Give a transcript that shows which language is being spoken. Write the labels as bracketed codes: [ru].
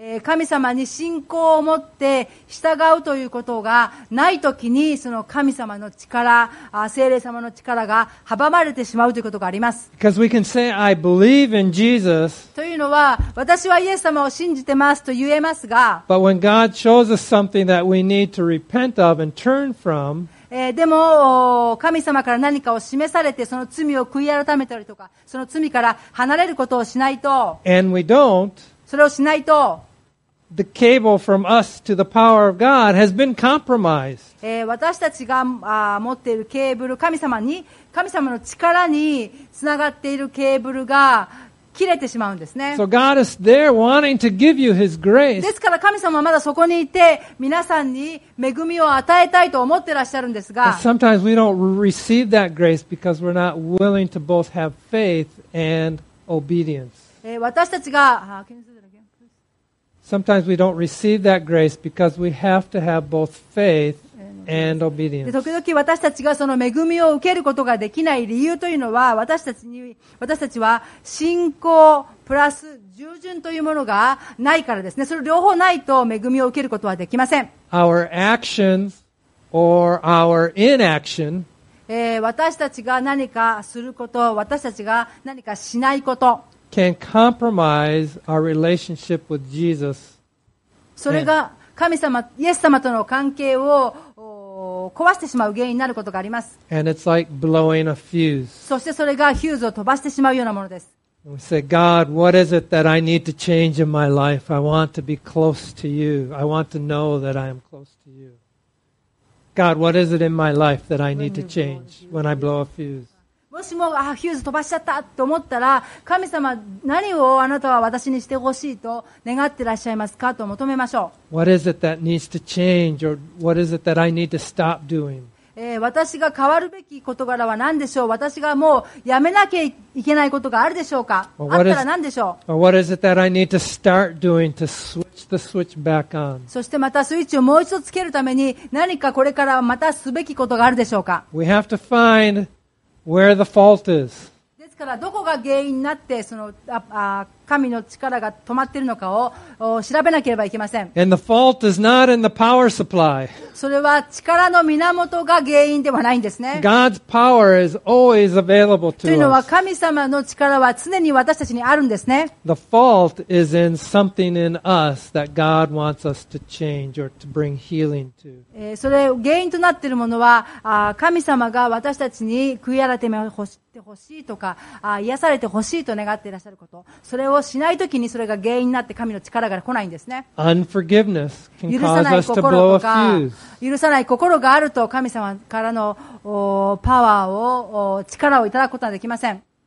[ja] 神様に信仰を持って従うということがないときにその神様の力、聖霊様の力が阻まれてしまうということがあります。 [en] Because we can say, I believe in Jesus. [ja] というのは私はイエス様を信じてますと言えますが [en] But when God shows us something that we need to repent of and turn from [ja] でも神様から何かを示されてその罪を悔い改めたりとかその罪から離れることをしないと [en] And we don't [ja] それをしないと [en] The cable from us to the power of God has been compromised. [ja] 私たちが持っているケーブル、神様の力につながっているケーブルが切れてしまうんですね。 [en] So God is there wanting to give you His grace. [ja] ですから神様はまだそこにいて皆さんに恵みを与えたいと思ってらっしゃるんですが [en] But sometimes we don't receive that grace because we're not willing to both have faith and obedience. [ja] 私たちが [en] Sometimes we don't receive that grace because we have to have both faith and obedience. [ja] 時々私たちがその恵みを受けることができない理由というのは私たちは信仰プラス従順というものがないからですね。それ両方ないと恵みを受けることはできません。 [en] Our actions or our inaction. [ja] 私たちが何かすること、私たちが何かしないこと。 [en] Can compromise our relationship with Jesus. [ja] それが神様、イエス様との関係を壊してしまう原因になることがあります。 [en] And it's like blowing a fuse. [ja] そしてそれがフューズを飛ばしてしまうようなものです。 [en] We say, God, what is it that I need to change in my life? I want to be close to you. I want to know that I am close to you. God, what is it in my life that I need to change when I blow a fuse? [ja] もしもあヒューズ飛ばしちゃったと思ったら神様何をあなたは私にしてほしいと願ってらっしゃいますかと求めましょう。 [en] What is it that needs to change or what is it that I need to stop doing? [ja] 私が変わるべき事柄は何でしょう。私がもうやめなきゃいけないことがあるでしょうか。 [en] Well, what [ja] あったら何でしょう。 [en] Well, what is it that I need to start doing to switch the switch back on? [ja] そしてまたスイッチをもう一度つけるために何かこれからまたすべきことがあるでしょうか。 [en] We have to findWhere the fault is. [ja] ですからどこが原因になってその神の力が止まっているのかを調べなければいけません。 [en] And the fault is not in the power supply. [ja] それは力の源が原因ではないんですね。 [en] God's power is always available to us. [ja] というのは神様の力は常に私たちにあるんですね。 [en] The fault is in something in us that God wants us to change or to bring healing to. [ja] それ原因となっているものは神様が私たちに悔い改めを欲してほしいとか癒されてほしいと願っていらっしゃること、それをしないときにそれが原因になって神の力が来ないんですね。 [en] Unforgiveness can cause us to blow a fuse. [ja] 許さない心があると神様からのパワーを力をいただくことはできません。